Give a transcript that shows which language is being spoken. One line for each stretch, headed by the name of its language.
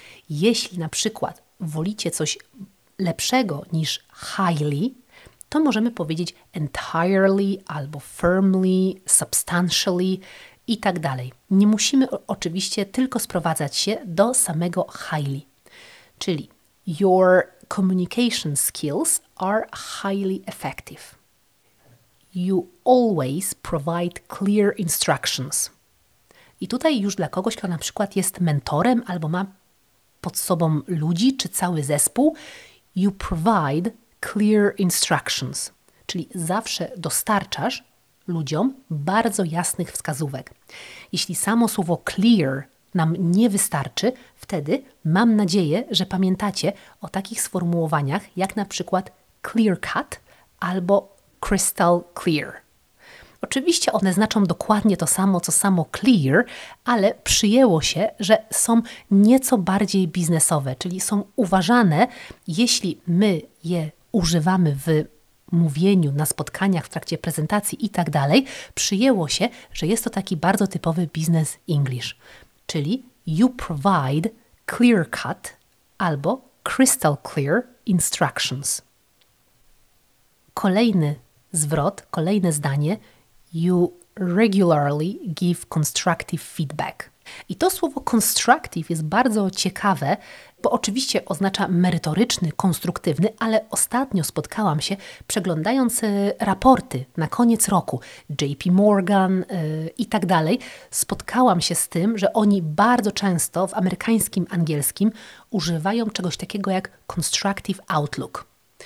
Polish: Jeśli na przykład wolicie coś lepszego niż highly, to możemy powiedzieć entirely albo firmly, substantially i tak dalej. Nie musimy oczywiście tylko sprowadzać się do samego highly. Czyli
English: your communication skills are highly effective. You always provide clear instructions.
Polish: I tutaj już dla kogoś, kto na przykład jest mentorem albo ma pod sobą ludzi czy cały zespół,
English: you provide clear instructions.
Polish: Czyli zawsze dostarczasz ludziom bardzo jasnych wskazówek. Jeśli samo słowo clear nam nie wystarczy, wtedy mam nadzieję, że pamiętacie o takich sformułowaniach jak na przykład clear cut albo crystal clear. Oczywiście one znaczą dokładnie to samo, co samo clear, ale przyjęło się, że są nieco bardziej biznesowe, czyli są uważane, jeśli my je używamy w mówieniu, na spotkaniach, w trakcie prezentacji i tak dalej, przyjęło się, że jest to taki bardzo typowy business English. Czyli
English: you provide clear-cut
Polish: albo
English: crystal-clear instructions.
Polish: Kolejny zwrot, kolejne zdanie.
English: You regularly give constructive feedback.
Polish: I to słowo constructive jest bardzo ciekawe, bo oczywiście oznacza merytoryczny, konstruktywny, ale ostatnio spotkałam się, przeglądając raporty na koniec roku, JP Morgan i tak dalej, spotkałam się z tym, że oni bardzo często w amerykańskim angielskim używają czegoś takiego jak constructive outlook.